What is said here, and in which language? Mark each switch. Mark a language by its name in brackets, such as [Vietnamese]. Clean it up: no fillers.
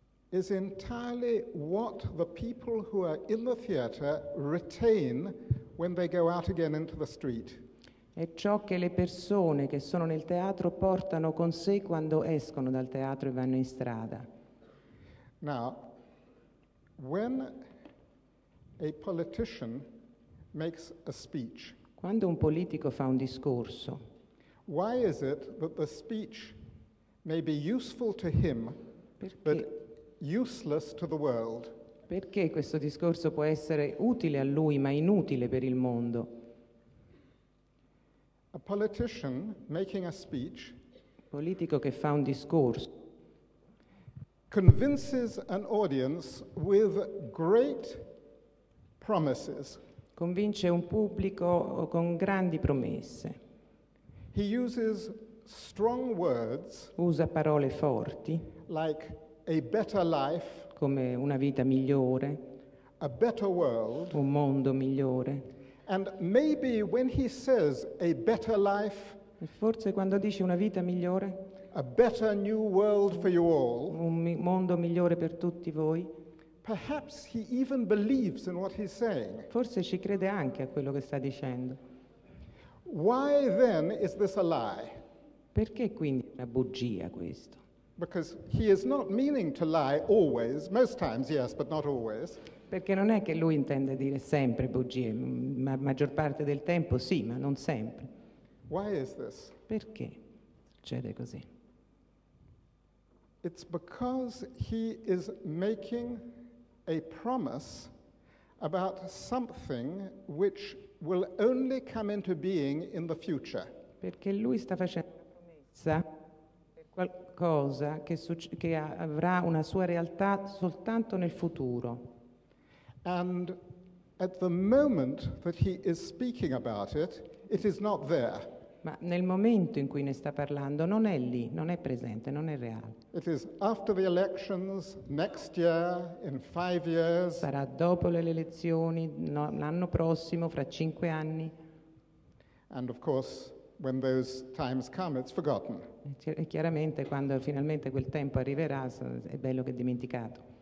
[English] is entirely what the people who are in the theater retain when they go out again into the street. [Italian] È ciò che le persone che sono nel teatro portano con sé quando escono dal teatro e vanno in strada. [English] Now, when a politician makes a speech, [Italian] quando un politico fa un discorso, [English] why is it that the speech may be useful to him, but useless to the world? [Italian] Perché questo discorso può essere utile a lui ma inutile per il mondo? [English] A politician making a speech, [Italian] politico che fa un discorso, [English] convinces an audience with great promises. [Italian] Convince un pubblico con grandi promesse. [English] He uses strong words, [Italian] usa parole forti, [English] like a better life, [Italian] come una vita migliore, [English] a better world, [Italian] un mondo migliore. [English] And maybe when he says a better life, [Italian] forse quando dice una vita migliore, [English] a better new world for you all, [Italian] un mondo migliore per tutti voi, [English] perhaps he even believes in what he's saying. [Italian] Forse ci crede anche a quello che sta dicendo. [English] Why then is this a lie? [Italian] Perché quindi una bugia questo? [English] Because he is not meaning to lie always, most times yes, but not always. [Italian] Perché non è che lui intende dire sempre bugie, ma maggior parte del tempo sì, ma non sempre. [English] Why is this? [Italian] Perché succede così? [English] It's because he is making a promise about something which will only come into being in the future. [Italian] Perché lui sta facendo una promessa per qualcosa che avrà una sua realtà soltanto nel futuro. [English] And at the moment that he is speaking about it, it is not there. [Italian] Ma nel momento in cui ne sta parlando non è lì, non è presente, non è reale. [English] It is after the elections, next year, in 5 years. [Italian] Sarà dopo le elezioni, l'anno prossimo, fra 5 anni. [English] And of course, when those times come, it's forgotten. [Italian] E chiaramente quando finalmente quel tempo arriverà, è bello che è dimenticato.